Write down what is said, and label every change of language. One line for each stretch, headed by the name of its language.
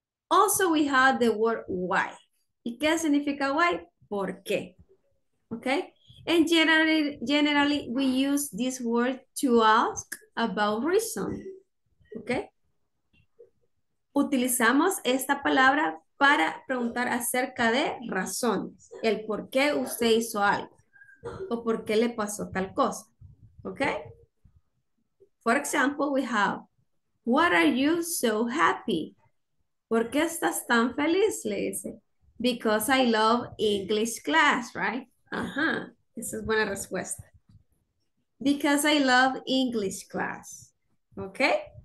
English: Also, we have the word why.
Spanish: ¿Y qué significa why? ¿Por qué?
English: Okay, and generally we use this word to ask about reason. Okay.
Spanish: Utilizamos esta palabra para preguntar acerca de razones, el por qué usted hizo algo o por qué le pasó tal cosa.
English: Okay. For example, we have, what are you so happy?
Spanish: ¿Por qué estás tan feliz? Le dice,
English: because I love English class, right?
Spanish: Ajá, esa es buena respuesta.
English: Because I love English class. Okay.